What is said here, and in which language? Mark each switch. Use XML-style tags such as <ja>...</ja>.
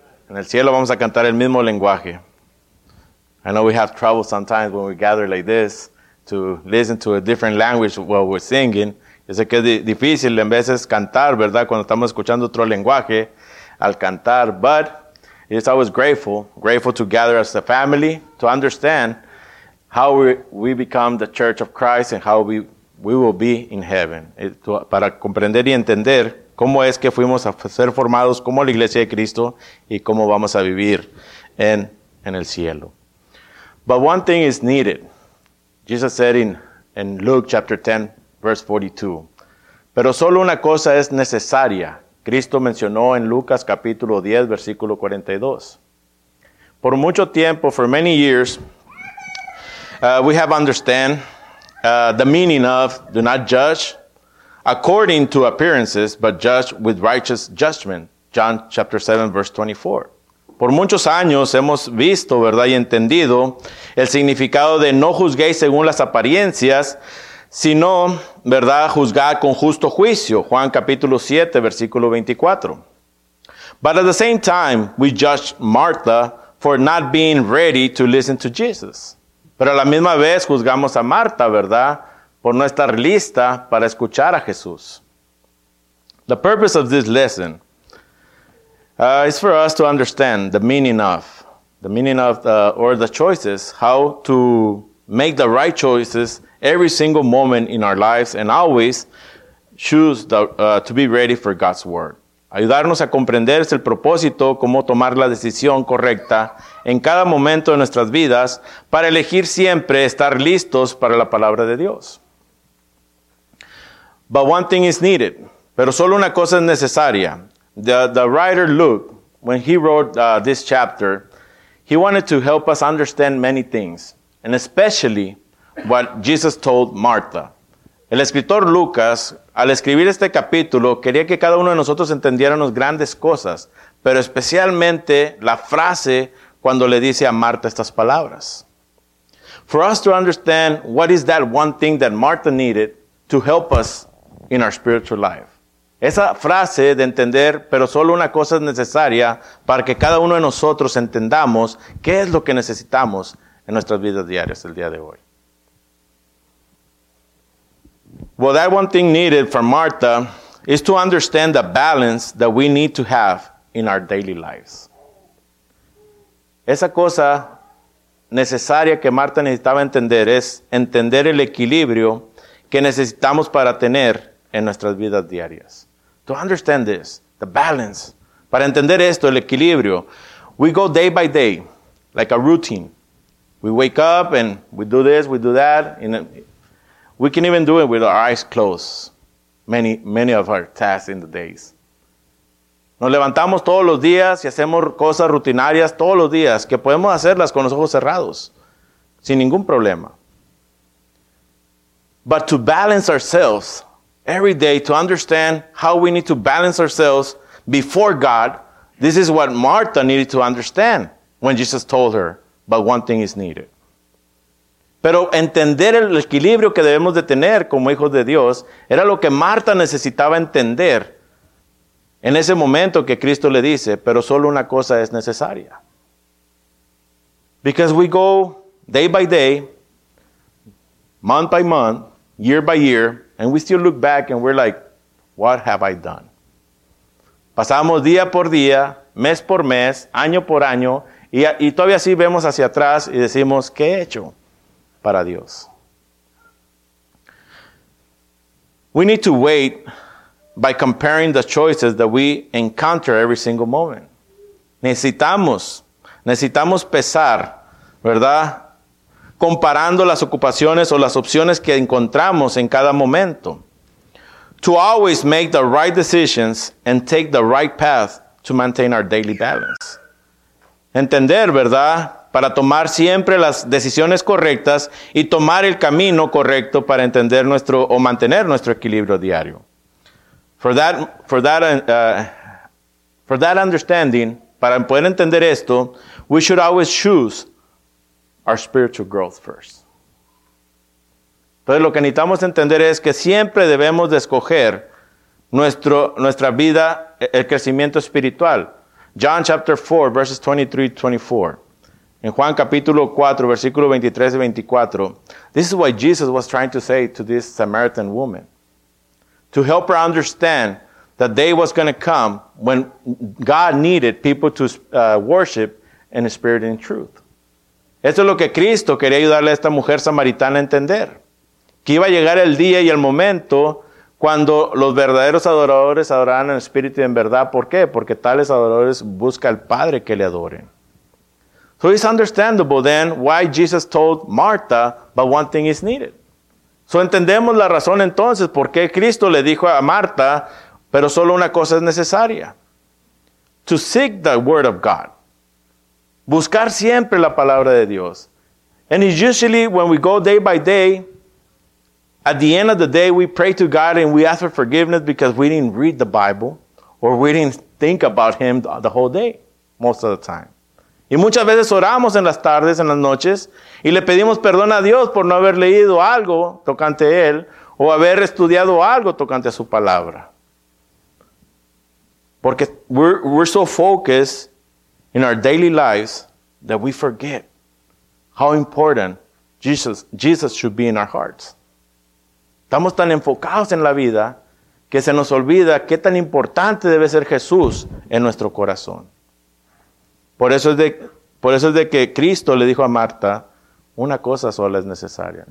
<es>En el cielo vamos a cantar el mismo lenguaje.</es> <en>I know we have trouble sometimes when we gather like this to listen to a different language while we're singing.</en> <es>Yo sé que es difícil en veces cantar, ¿verdad? Cuando estamos escuchando otro lenguaje al cantar.</es> <en>But it's always grateful to gather as a family to understand how we become the church of Christ and how we will be in heaven.</en> <es>Para comprender y entender cómo es que fuimos a ser formados como la iglesia de Cristo y cómo vamos a vivir en el cielo.</es> <en>But one thing is needed. Jesus said in Luke chapter 10, verse 42.</en> <es>Pero solo una cosa es necesaria. Cristo mencionó en Lucas capítulo 10, versículo 42. Por mucho tiempo,</es> <en>for many years, we have understand the meaning of do not judge according to appearances, but judge with righteous judgment. John chapter 7, verse 24.</en> <es>Por muchos años hemos visto, ¿verdad?, y entendido el significado de no juzguéis según las apariencias, sino, ¿verdad?, juzgar con justo juicio. Juan capítulo 7, versículo 24.</es> <en>But at the same time, we judge Martha for not being ready to listen to Jesus.</en> <es>Pero a la misma vez juzgamos a Marta, ¿verdad?, por no estar lista para escuchar a Jesús.</es> <en>The purpose of this lesson is for us to understand the meaning of the choices, how to make the right choices every single moment in our lives and always choose to be ready for God's word.</en> <es>Ayudarnos a comprender es el propósito, cómo tomar la decisión correcta en cada momento de nuestras vidas para elegir siempre estar listos para la palabra de Dios.</es> <en>But one thing is needed.</en> <es>Pero solo una cosa es necesaria.</es> <en>The writer Luke, when he wrote this chapter, he wanted to help us understand many things, and especially what Jesus told Martha.</en> <es>El escritor Lucas, al escribir este capítulo, quería que cada uno de nosotros entendiéramos grandes cosas, pero especialmente la frase cuando le dice a Marta estas palabras.</es> <en>For us to understand what is that one thing that Martha needed to help us in our spiritual life.</en> <es>Esa frase de entender, pero solo una cosa es necesaria para que cada uno de nosotros entendamos qué es lo que necesitamos en nuestras vidas diarias el día de hoy.</es> <en>Well, that one thing needed for Martha is to understand the balance that we need to have in our daily lives.</en> <es>Esa cosa necesaria que Martha necesitaba entender es entender el equilibrio que necesitamos para tener en nuestras vidas diarias.</es> <en>To understand this, the balance.</en> <es>Para entender esto, el equilibrio.</es> <en>We go day by day, like a routine. We wake up and we do this, we do that. We can even do it with our eyes closed. Many of our tasks in the days.</en> <es>Nos levantamos todos los días y hacemos cosas rutinarias todos los días que podemos hacerlas con los ojos cerrados, sin ningún problema.</es> <en>But to balance ourselves every day, to understand how we need to balance ourselves before God, this is what Martha needed to understand when Jesus told her, but one thing is needed.</en> <es>Pero entender el equilibrio que debemos de tener como hijos de Dios era lo que Marta necesitaba entender en ese momento que Cristo le dice, pero solo una cosa es necesaria.</es> <en>Because we go day by day, month by month, year by year, and we still look back and we're like, what have I done?</en> <es>Pasamos día por día, mes por mes, año por año, y todavía así vemos hacia atrás y decimos, ¿qué he hecho para Dios?</es> <en>We need to wait by comparing the choices that we encounter every single moment.</en> <es>Necesitamos pesar, ¿verdad?, comparando las ocupaciones o las opciones que encontramos en cada momento.</es> <en>To always make the right decisions and take the right path to maintain our daily balance.</en> <es>Entender, ¿verdad?, para tomar siempre las decisiones correctas y tomar el camino correcto para entender nuestro o mantener nuestro equilibrio diario.</es> <en>For that understanding,</en> <es>para poder entender esto,</es> <en>we should always choose our spiritual growth first.</en> <es>Entonces, lo que necesitamos entender es que siempre debemos de escoger nuestra vida, el crecimiento espiritual.</es> <en>John chapter 4, verses 23-24.</en> <es>En Juan capítulo 4, versículo 23-24.</es> <en>This is what Jesus was trying to say to this Samaritan woman. To help her understand that day was going to come when God needed people to worship in spirit and in truth.</en> <es>Eso es lo que Cristo quería ayudarle a esta mujer samaritana a entender. Que iba a llegar el día y el momento cuando los verdaderos adoradores adorarán en espíritu y en verdad. ¿Por qué? Porque tales adoradores busca al Padre que le adoren.</es> <en>So it's understandable then why Jesus told Martha, but one thing is needed.</en> <es>So entendemos la razón entonces por qué Cristo le dijo a Marta, pero solo una cosa es necesaria.</es> <en>To seek the word of God.</en> <es>Buscar siempre la palabra de Dios.</es> <en>And it's usually when we go day by day, at the end of the day, we pray to God and we ask for forgiveness because we didn't read the Bible or we didn't think about Him the whole day, most of the time.</en> <es>Y muchas veces oramos en las tardes, en las noches, y le pedimos perdón a Dios por no haber leído algo tocante a Él o haber estudiado algo tocante a su palabra. Porque</es> <en>we're so focused in our daily lives that we forget how important Jesus should be in our hearts.</en> <es>Estamos tan enfocados en la vida que se nos olvida qué tan importante debe ser Jesús en nuestro corazón. Por eso es de que Cristo le dijo a Marta, una cosa sola es necesaria.</es>